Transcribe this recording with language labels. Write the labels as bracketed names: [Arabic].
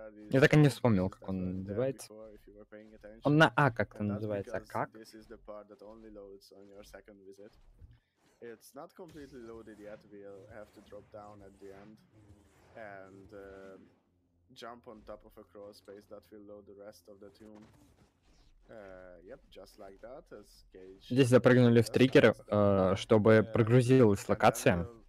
[Russian] Я так и не вспомнил, как он называется. Он на А как-то называется, а как? [English] This is the part that only loads on your second visit. It's not completely loaded yet. We'll have to drop down at the end and jump on top of a crawl space that will load the rest of the tomb. Yep, just like that. As Cage. [Russian] Здесь запрыгнули в триггер, чтобы прогрузилась локация.